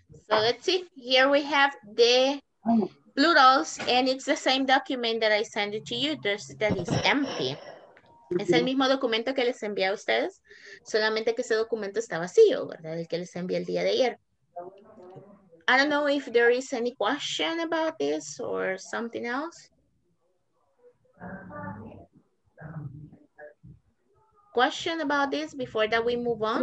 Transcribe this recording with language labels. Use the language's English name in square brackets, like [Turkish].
[English] So let's see, here we have the plurals, and it's the same document that I sent it to you, that is empty. [Spanish] Es el mismo documento que les envié a ustedes, solamente que ese documento está vacío, ¿verdad? El que les envié el día de ayer. [English] I don't know if there is any question about this or something else. Question about this before that we move on?